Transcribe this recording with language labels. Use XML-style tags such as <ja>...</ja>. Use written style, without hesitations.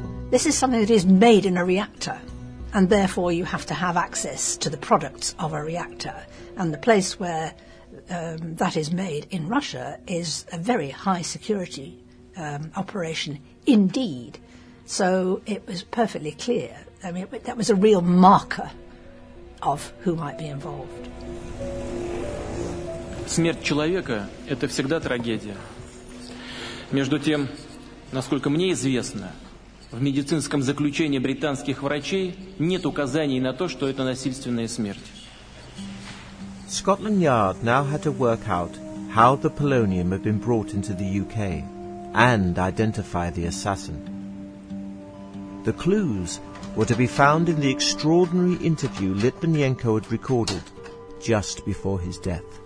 <en>This is something that is made in a reactor, and therefore you have to have access to the products of a reactor, and the place where that is made in Russia is a very high security operation indeed. So it was perfectly clear. I mean, that was a real marker of who might be involved.</en> <ru>Смерть человека – это всегда трагедия. Между тем, насколько мне известно, в медицинском заключении британских врачей нет указаний на то, что это насильственная смерть.</ru> <en>Scotland Yard now had to work out how the polonium had been brought into the UK and identify the assassin. The clues were to be found in the extraordinary interview Litvinenko had recorded just before his death.</en>